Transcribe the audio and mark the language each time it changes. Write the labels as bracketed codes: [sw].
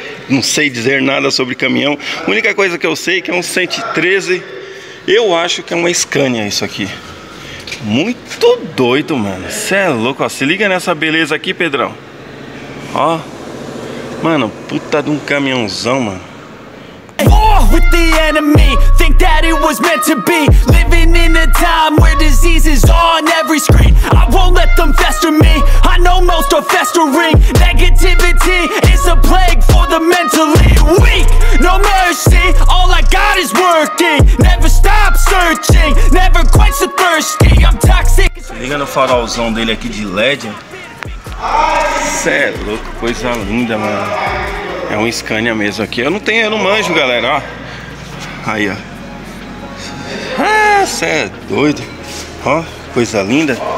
[pt] Não sei dizer nada sobre caminhão. A única coisa que eu sei é que é um 113. Eu acho que é uma Scania isso aqui. Muito doido, mano. Você é louco, ó. Se liga nessa beleza aqui, Pedrão. Ó. Mano, puta de um caminhãozão, mano. [en] With the enemy, think that it was meant to be. Living in a time where disease is on every screen. I won't let them fester me. I know most are festering. Negativity is a plague for the mentally weak. No mercy, all I got is working. Never stop searching, never quench the thirsty. I'm toxic. [pt] Se liga no farolzão dele aqui de LED. Cê é louco, coisa linda, mano. É um Scania mesmo aqui. Eu não tenho, eu não manjo, galera, ó. Aí, ó. Ah, cê é doido. Ó, coisa linda.